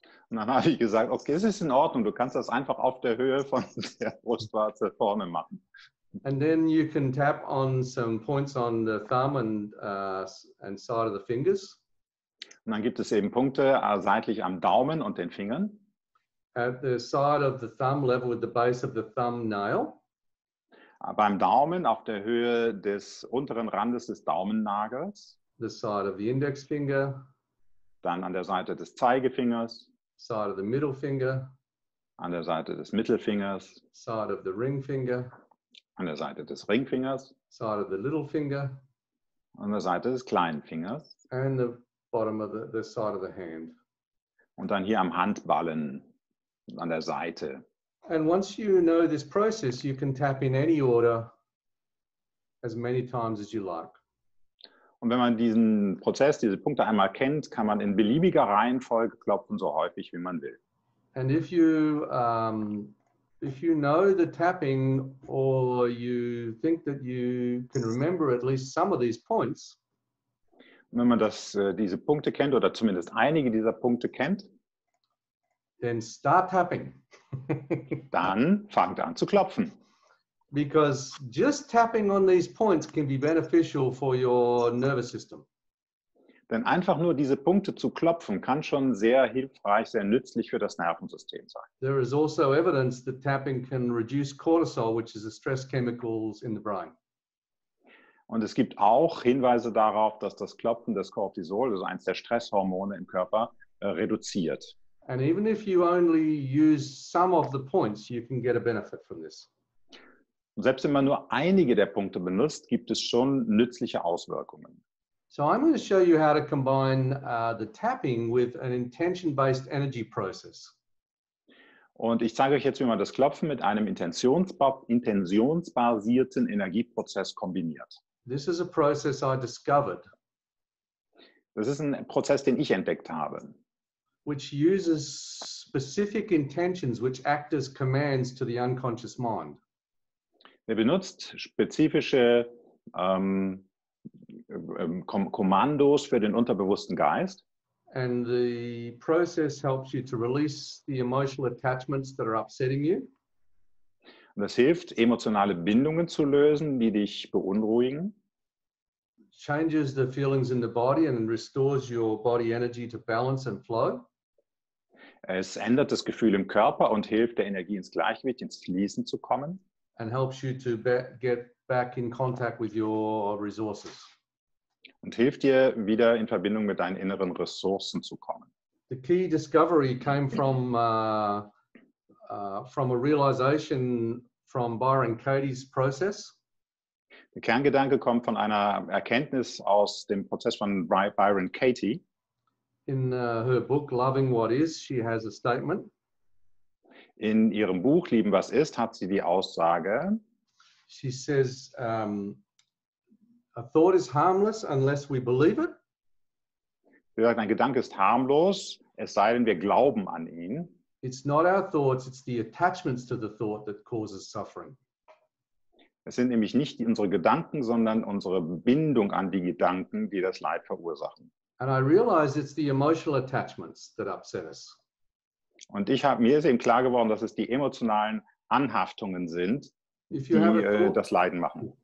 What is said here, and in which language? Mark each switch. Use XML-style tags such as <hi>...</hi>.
<de>Und dann habe ich gesagt, okay, es ist in Ordnung, du kannst das einfach auf der Höhe von der Brustwarze vorne machen.</de> <en>And then you can tap on some points on the thumb and side of the fingers.</en> <de>Und dann gibt es eben Punkte seitlich am Daumen und den Fingern.</de> <en>At the side of the thumb, level with the base of the thumbnail.</en> <de>Beim Daumen auf der Höhe des unteren Randes des Daumennagels.</de> <en>The side of the index finger.</en> <de>Dann an der Seite des Zeigefingers.</de> <en>Side of the middle finger.</en> <de>An der Seite des Mittelfingers.</de> <en>Side of the ring finger.</en> <de>An der Seite des Ringfingers.</de> <en>Side of the little finger.</en> <de>An der Seite des kleinen Fingers.</de> <en>And the bottom of the side of the hand.</en> <de>Und dann hier am Handballen, an der Seite.</de> <en>And once you know this process, you can tap in any order as many times as you like.</en> <de>Und wenn man diesen Prozess, diese Punkte einmal kennt, kann man in beliebiger Reihenfolge klopfen, so häufig, wie man will.</de> <en>And if you know the tapping, or you think that you can remember at least some of these points,</en> <de>wenn man das diese Punkte kennt oder zumindest einige dieser Punkte kennt,</de> <en>then start tapping.</en> <de>Dann fangt an zu klopfen.</de> <en>Because just tapping on these points can be beneficial for your nervous system.</en> <de>Denn einfach nur diese Punkte zu klopfen kann schon sehr hilfreich, sehr nützlich für das Nervensystem sein.</de> <en>There is also evidence that tapping can reduce cortisol, which is a stress chemical in the brain.</en> <de>Und es gibt auch Hinweise darauf, dass das Klopfen des Cortisol, also eines der Stresshormone im Körper, reduziert.</de> <en>And even if you only use some of the points, you can get a benefit from this.</en> <de>Und selbst wenn man nur einige der Punkte benutzt, gibt es schon nützliche Auswirkungen.</de> <en>So I'm going to show you how to combine the tapping with an intention-based energy process.</en> <de>Und ich zeige euch jetzt, wie man das Klopfen mit einem intentionsbasierten Energieprozess kombiniert.</de> <en>This is a process I discovered.</en> <de>Das ist ein Prozess, den ich entdeckt habe.</de> <en>Which uses specific intentions which act as commands to the unconscious mind.</en> <de>Er benutzt spezifische Kommandos für den unterbewussten Geist.</de> <en>And the process helps you to release the emotional attachments that are upsetting you.</en> <de>Und das hilft, emotionale Bindungen zu lösen, die dich beunruhigen.</de> <en>Changes the feelings in the body and restores your body energy to balance and flow.</en> <de>Es ändert das Gefühl im Körper und hilft der Energie ins Gleichgewicht, ins Fließen zu kommen.</de> <en>And helps you to get back in contact with your resources.</en> <de>Und hilft dir, wieder in Verbindung mit deinen inneren Ressourcen zu kommen.</de> <en>The key discovery came from a realization from Byron Katie's process.</en> <de>Der Kerngedanke kommt von einer Erkenntnis aus dem Prozess von Byron Katie.</de> <en>In her book Loving What Is, she has a statement.</en> <de>In ihrem Buch Lieben was ist hat sie die Aussage.</de> <en>She says a thought is harmless unless we believe it.</en> <de>Sie sagt, ein Gedanke ist harmlos, es sei denn wir glauben an ihn.</de> <en>It's not our thoughts, it's the attachments to the thought that causes suffering.</en> <de>Es sind nämlich nicht unsere Gedanken, sondern unsere Bindung an die Gedanken, die das Leid verursachen.</de> <en>And I realize it's the emotional attachments that upset us.</en> <de>Und ich habe mir eben klar geworden, dass es die emotionalen Anhaftungen sind, die das Leiden machen.</de>